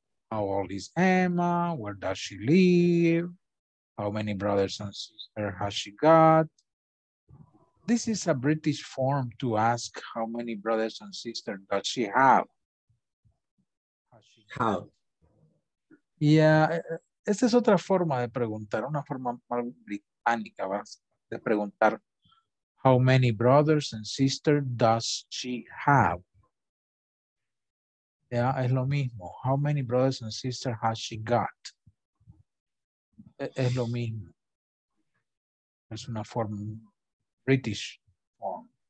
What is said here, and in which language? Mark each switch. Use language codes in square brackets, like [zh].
[en] How old is Emma? Where does she live? How many brothers and sisters has she got? This is a British form to ask how many brothers and sisters does she have. How? Yeah. [es] Esta es otra forma de preguntar, una forma más británica, ¿verdad? De preguntar, [en] how many brothers and sisters does she have? Ya, yeah, [es] es lo mismo. [en] How many brothers and sisters has she got? [es] Es lo mismo. Es una forma [en] British form.